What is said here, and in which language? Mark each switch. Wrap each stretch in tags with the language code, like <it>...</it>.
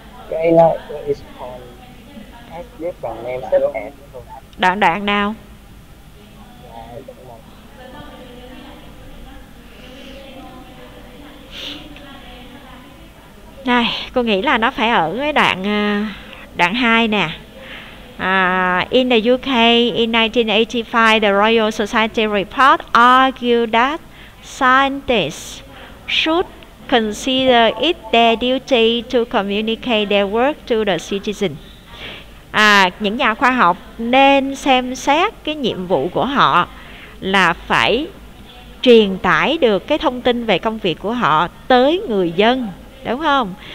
<vi>cái là is on s biết bằng em sẽ s đoạn đoạn nào này, cô nghĩ là nó phải ở cái đoạn đoạn 2 nè.</vi> <en>In the UK in 1985, the Royal Society report argued that scientists should consider it their duty to communicate their work to the citizen.</en> <vi>Những nhà khoa học nên xem xét cái nhiệm vụ của họ là phải truyền tải được cái thông tin về công việc của họ tới người dân, đúng không?</vi>